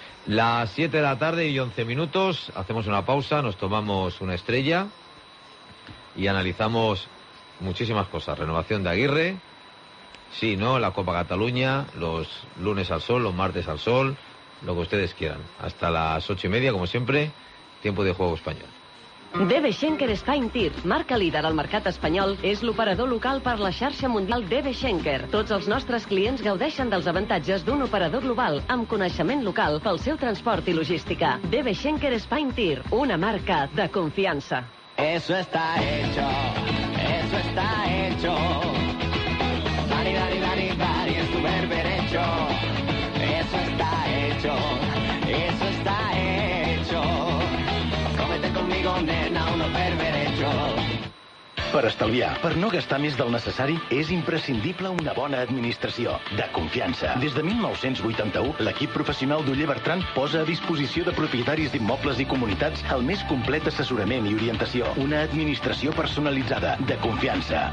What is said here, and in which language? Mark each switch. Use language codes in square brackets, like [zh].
[es] Las 7 de la tarde y 11 minutos, hacemos una pausa, nos tomamos una estrella y analizamos muchísimas cosas. Renovación de Aguirre. Sí, ¿no? La Copa Cataluña, los lunes al sol, los martes al sol, lo que ustedes quieran. Hasta las 8:30, como siempre, tiempo de juego Español. [ca] DB Schenker Spine Tir, marca líder al mercat espanyol, és l'operador local per la xarxa mundial DB Schenker. Tots els nostres clients gaudeixen dels avantatges d'un operador global amb coneixement local pel seu transport i logística. DB Schenker Spine Tir, una marca de confiança. [es] Eso está hecho, eso está hecho. Dani, Dani, Dani, Dani, es tu berber hecho. Eso está hecho, eso está hecho. Cómete conmigo, nena, uno berber hecho. [ca] Per estalviar, per no gastar més del necessari, és imprescindible una bona administració de confiança. Des de 1981, l'equip professional d'Oller Bertran posa a disposició de propietaris d'immobles i comunitats el més complet assessorament i orientació. Una administració personalitzada de confiança.